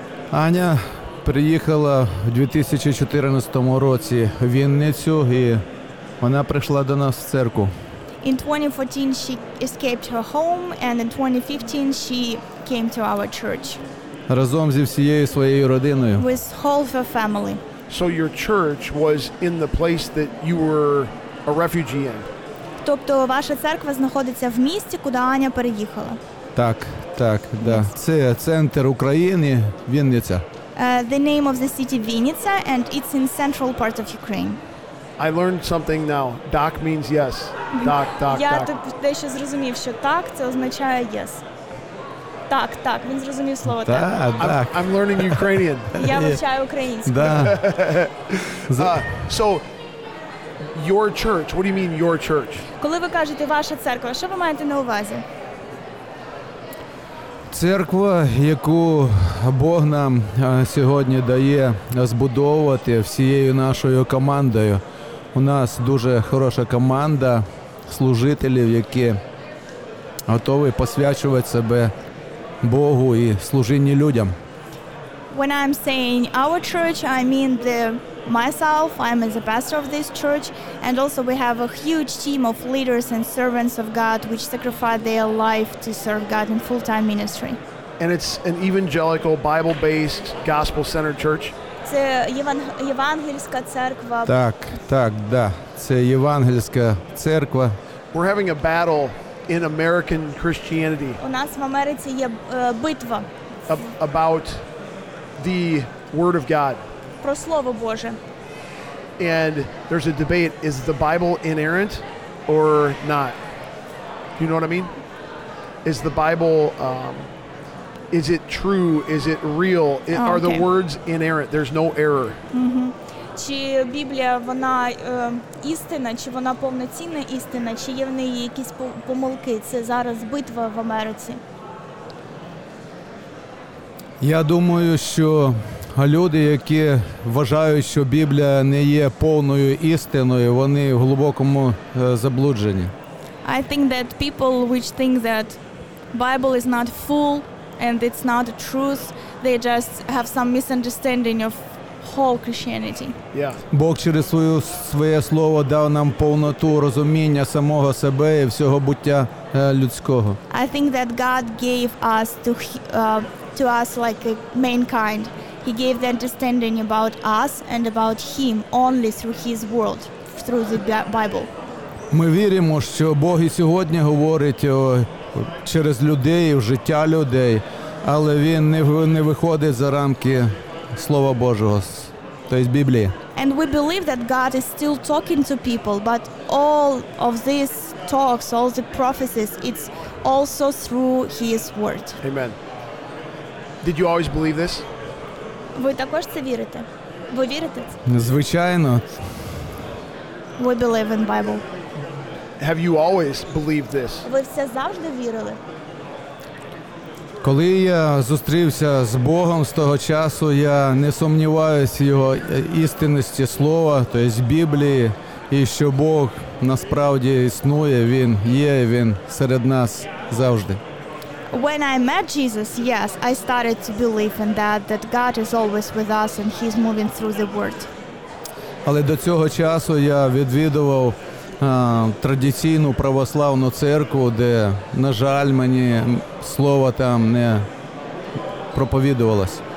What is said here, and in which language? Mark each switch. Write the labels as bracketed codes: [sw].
[uk] Аня приїхала в 2014 році в Вінницю, і вона прийшла до нас в церкву. [en] In 2014 she escaped her home, and in 2015 she came to our church. [uk] Разом зі всією своєю родиною. [en] With all of her family. So your church was in the place that you were a refugee in. [uk] Тобто ваша церква знаходиться в місті, куди Аня переїхала. Так, Так, да. Це центр України, Вінниця. [en] The name of the city, Vinnytsia, and it's in central part of Ukraine. I learned something now. Doc means yes. Doc. [uk] Я дещо зрозумів, що так, це означає yes. Так, так, він зрозумів слово так. [en] I'm learning Ukrainian. [uk] Я вивчаю українську. [en] So, your church, what do you mean your church? [uk] Коли ви кажете ваша церква, що ви маєте на увазі? Церква, яку Бог нам сьогодні дає збудовувати всією нашою командою. У нас дуже хороша команда служителів, які готові посвячувати себе Богу і служінню людям. [en] When I'm saying our church, I mean the myself, I'm the pastor of this church, and also we have a huge team of leaders and servants of God which sacrifice their life to serve God in full-time ministry. And it's an evangelical, Bible-based, gospel-centered church? [uk] Це євангельська церква. Так, так, да. Це євангельська церква. [en] We're having a battle in American Christianity. [uk] У нас в Америці є битва. [en] About the Word of God. [uk] Про Слово Боже. [en] And there's a debate, is the Bible inerrant or not? You know what I mean? Is the Bible, is it true, is it real? Oh, okay. Are the words inerrant? There's no error. [uk] Чи Біблія, вона істина, чи вона повноцінна істина, чи є в неї якісь помилки? Це зараз битва в Америці. Я думаю, що люди, які вважають, що Біблія не є повною істиною, вони в глибокому заблудженні. [en] I think that people which think that Bible is not full and it's not a truth, they just have some misunderstanding of whole Christianity. Yeah. [uk] Бог через своє слово дав нам повноту розуміння самого себе і всього буття людського. [en] I think that God gave us to us like a mankind. He gave the understanding about us and about him only through his word, through the Bible. [uk] Ми віримо, що Бог і сьогодні говорить через людей, в життя людей, але він не виходить за рамки Слова Божого, тобто Біблії. [en] And we believe that God is still talking to people, but all of these talks, all the prophecies, it's also through his word. Amen. Did you always believe this? [uk] Ви також це вірите? Ви вірите це? Звичайно. [en] We believe in Bible. Have you always believed this? [uk] Ви все завжди вірили? Коли я зустрівся з Богом з того часу, я не сумніваюся в його істинності слова, тобто Біблії, і що Бог насправді існує, він є, він серед нас завжди. [en] When I met Jesus, yes, I started to believe in that God is always with us and he's moving through the world. [uk] Але до цього часу я відвідував традиційну православну церкву, де, на жаль, мені слово там не проповідувалось.